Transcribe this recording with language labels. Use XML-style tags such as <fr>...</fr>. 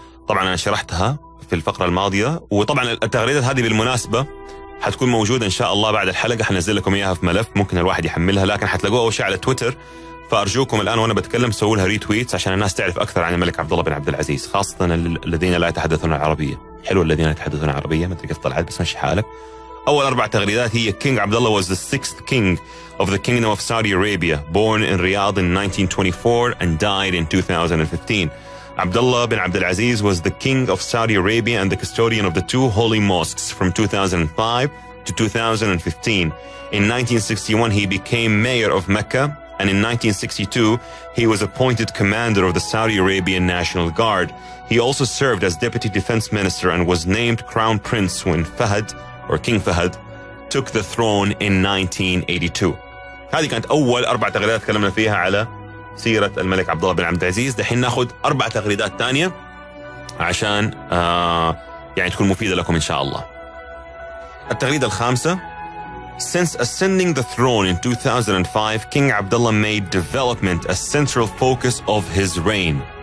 <ar>طبعا أنا شرحتها في الفقرة الماضية, وطبعا التغريدات هذه بالمناسبة حتكون موجودة إن شاء الله بعد الحلقة, حنزل لكم إياها في ملف ممكن الواحد يحملها, لكن حتلاقوها أول شيء على تويتر. فأرجوكم الآن وأنا بتكلم سووا لها ريتويت عشان الناس تعرف أكثر عن الملك عبد الله بن عبد العزيز, خاصة الذين لا يتحدثون العربية. حلو الذين يتحدثون عربية, ما أدري كيف طلعت بس ماشي حالك. أول أربع تغريدات هي</ar> <en>King Abdullah was the sixth king of the kingdom of Saudi Arabia, born in Riyadh in 1924 and died in 2015. Abdullah bin Abdul Aziz was the king of Saudi Arabia and the custodian of the two holy mosques from 2005 to 2015. In 1961 he became mayor of Mecca, and in 1962 he was appointed commander of the Saudi Arabian National Guard. He also served as deputy defense minister and was named crown prince when Fahd, or King Fahd, took the throne in 1982.</en> <ar>هذه كانت أول أربع تغريدات تكلمنا فيها على سيرة الملك عبد الله بن عبد العزيز. دحين نأخذ أربع تغريدات تانية عشان يعني تكون مفيدة لكم إن شاء الله. التغريدة الخامسة:</ar> <en>Since ascending the throne in 2005, King Abdullah made development a central focus of his reign.</en>